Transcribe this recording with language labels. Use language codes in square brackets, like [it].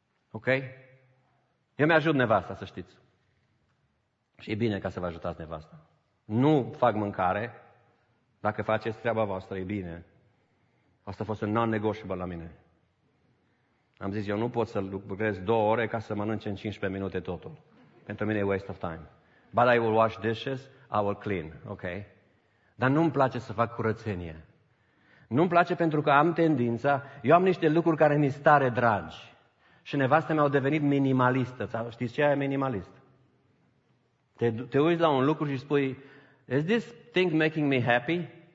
[ro] Ok? Eu mi-ajut nevasta, să știți. Și e bine ca să vă ajutați nevasta. Nu fac mâncare. Dacă faceți treaba voastră, e bine. Asta a fost un non-negotiable la mine. Am zis, eu nu pot să lucrez 2 ore ca să mănânc în 15 minute totul. [en] Pentru mine e waste of time. But I will wash dishes, I will clean. Ok? [ro] Dar nu-mi place să fac curățenie. Nu-mi place pentru că am tendința, eu am niște lucruri care mi-s tare dragi. Și nevastele mi-au devenit minimalistă. Știți ce e minimalist? Te uiți la un lucru și spui, is this thing making me happy?